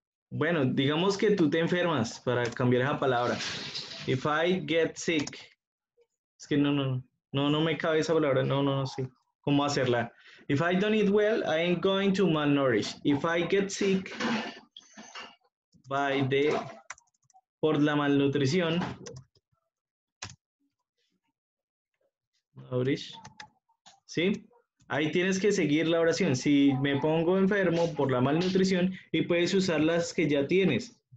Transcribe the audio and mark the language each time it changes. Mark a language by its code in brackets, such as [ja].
[es] Bueno, digamos que tú te enfermas, para cambiar esa palabra. [en] If I get sick. [es] Es que no me cabe esa palabra. No sé. ¿Cómo hacerla? [en] If I don't eat well, I ain't going to malnourish. If I get sick [es] por la malnutrición. Nourish. ¿Sí? Ahí tienes que seguir la oración. Si me pongo enfermo por la malnutrición, y puedes usar las que ya tienes.